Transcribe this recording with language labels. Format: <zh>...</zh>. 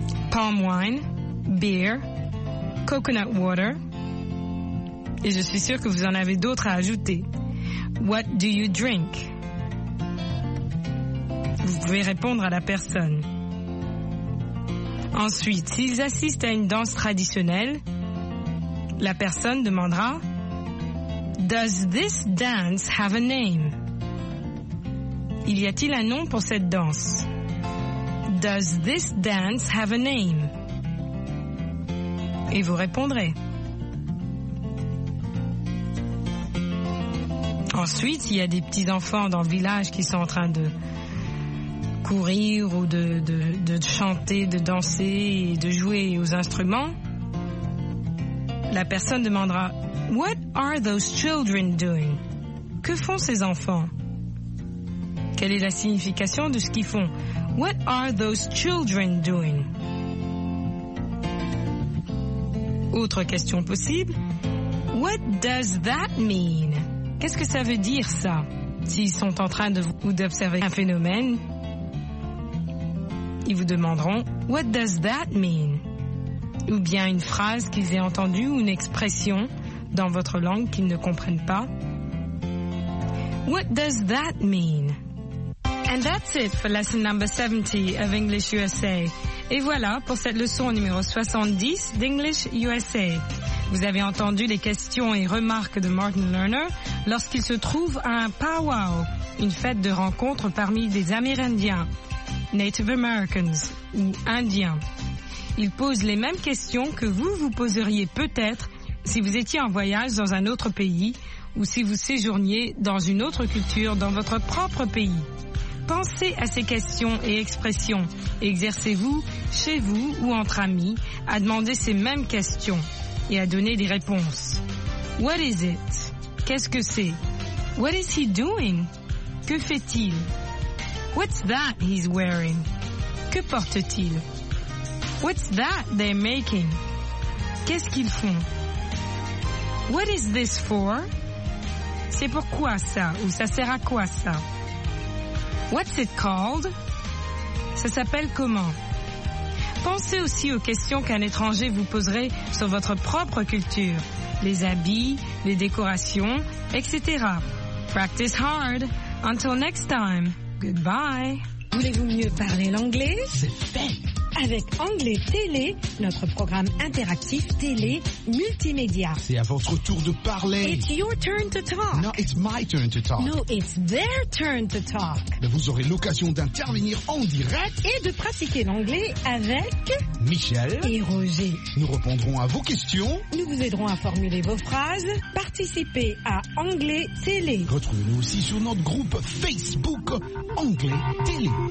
<en>Palm wine, beer, coconut water.</en> <fr>Et je suis sûre que vous en avez d'autres à ajouter.</fr> <en>What do you drink?</en> <fr>Vous pouvez répondre à la personne. Ensuite, s'ils assistent à une danse traditionnelle, la personne demandera</fr> <en>Does this dance have a name?</en> <fr>Il y a-t-il un nom pour cette danse?</fr> <en>Does this dance have a name?</en> <fr>Et vous répondrez. Ensuite, il y a des petits enfants dans le village qui sont en train de courir ou de chanter, de danser et de jouer aux instruments. La personne demandera,</fr> <en>What are those children doing?</en> <fr>Que font ces enfants? Quelle est la signification de ce qu'ils font?</fr> <en>What are those children doing?</en> <fr>Autre question possible.</fr> <en>What does that mean?</en> <fr>Qu'est-ce que ça veut dire, ça? S'ils sont en train de vous observer un phénomène, ils vous demanderont</fr> <en>What does that mean?</en> <fr>Ou bien une phrase qu'ils aient entendue ou une expression dans votre langue qu'ils ne comprennent pas.</fr> <en>What does that mean? And that's it for lesson number 70 of English USA.</en> <fr>Et voilà pour cette leçon numéro 70 d'English USA. Vous avez entendu les questions et remarques de Martin Lerner lorsqu'il se trouve à un powwow, une fête de rencontre parmi des Amérindiens, Native Americans ou Indiens. Il pose les mêmes questions que vous vous poseriez peut-être si vous étiez en voyage dans un autre pays ou si vous séjourniez dans une autre culture dans votre propre pays. Pensez à ces questions et expressions. Exercez-vous, chez vous ou entre amis, à demander ces mêmes questions et à donner des réponses.</fr> <en>What is it?</en> <fr>Qu'est-ce que c'est?</fr> <en>What is he doing?</en> <fr>Que fait-il?</fr> <en>What's that he's wearing?</en> <fr>Que porte-t-il?</fr> <en>What's that they're making?</en> <fr>Qu'est-ce qu'ils font?</fr> <en>What is this for?</en> <fr>C'est pour quoi ça ou ça sert à quoi ça?</fr> <en>What's it called?</en> <fr>Ça s'appelle comment? Pensez aussi aux questions qu'un étranger vous poserait sur votre propre culture, les habits, les décorations, etc.</fr> <en>Practice hard. Until next time. Goodbye.</en> <fr>Voulez-vous mieux parler l'anglais? C'est fait. avec Anglais Télé, notre programme interactif télé multimédia. C'est à votre tour de parler.</fr> <en>It's your turn to talk. No, it's my turn to talk. No, it's their turn to talk.</en> <fr>Mais vous aurez l'occasion d'intervenir en direct et de pratiquer l'anglais avec Michel et Roger. Nous répondrons à vos questions. Nous vous aiderons à formuler vos phrases. Participez à Anglais Télé. Retrouvez-nous aussi sur notre groupe Facebook Anglais Télé.</fr>